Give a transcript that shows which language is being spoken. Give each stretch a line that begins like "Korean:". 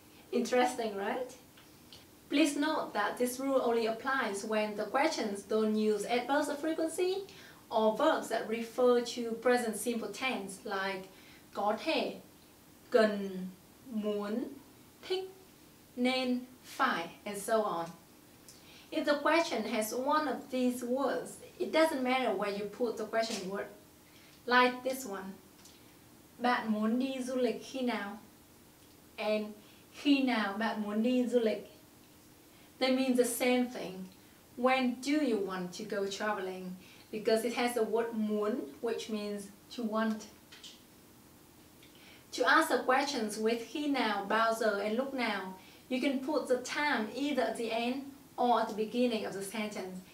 English: Interesting, right? Please note that this rule only applies when the questions don't use adverbs of frequency or verbs that refer to present simple tense like có thể, cần, muốn, thích, nên, phải, and so on. If the question has one of these words, it doesn't matter where you put the question word. Like this one.
Vietnamese: Bạn muốn đi du lịch khi nào? And khi nào bạn muốn đi du lịch?
English: They mean the same thing. When do you want to go traveling? Because it has the word muốn, which means to want. To ask the questions with khi nào, bao giờ, and lúc nào, you can put the time either at the end or at the beginning of the sentence.